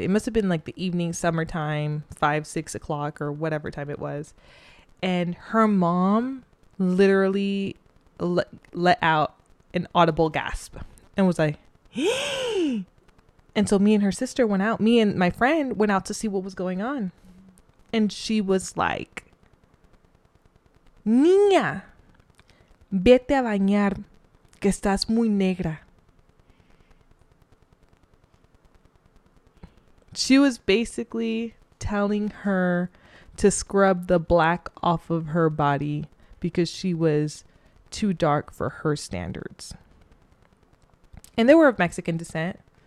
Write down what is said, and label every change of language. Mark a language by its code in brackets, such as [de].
[en] It must have been like the evening, summertime, 5-6 o'clock or whatever time it was. And her mom literally let out an audible gasp and was like, hey! And so me and her sister went out. Me and my friend went out to see what was going on. And she was like, [es] niña, vete a bañar, que estás muy negra. [en] She was basically telling her to scrub the black off of her body because she was too dark for her standards. And they were of Mexican descent.